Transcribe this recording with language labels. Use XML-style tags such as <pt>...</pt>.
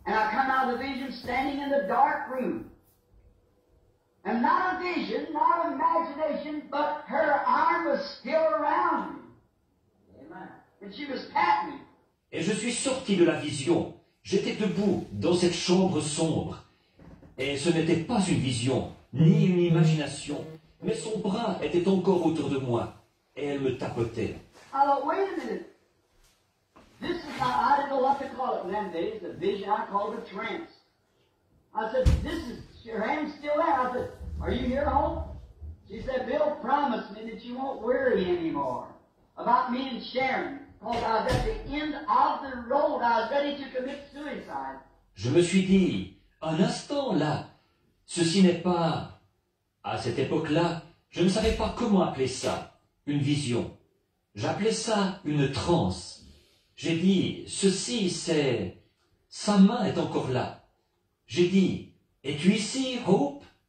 <en>And I come out of the vision standing in the dark room. And not a vision, not imagination, but her arm was still around me. Amen. And she was patting me.</en> <fr>Et je suis sorti de la vision. J'étais debout dans cette chambre sombre. Et ce n'était pas une vision, ni une imagination. Mais son bras était encore autour de moi. Et elle me tapotait.</fr> <en>Alors, wait a minute. This is how I didn't know what to call it in them days, the vision I called a trance. I said, this is, your hand's still there. I said, are you here, Hope? She said, Bill, promise me that you won't worry anymore about me and Sharon. Because I was at the end of the road, I was ready to commit suicide.</en> <fr>Je me suis dit, un instant là, ceci n'est pas, à cette époque-là, je ne savais pas comment appeler ça, une vision. J'appelais ça une transe. J'ai dit, ceci, c'est... Sa main est encore là. J'ai dit, es-tu ici, Hope?</fr>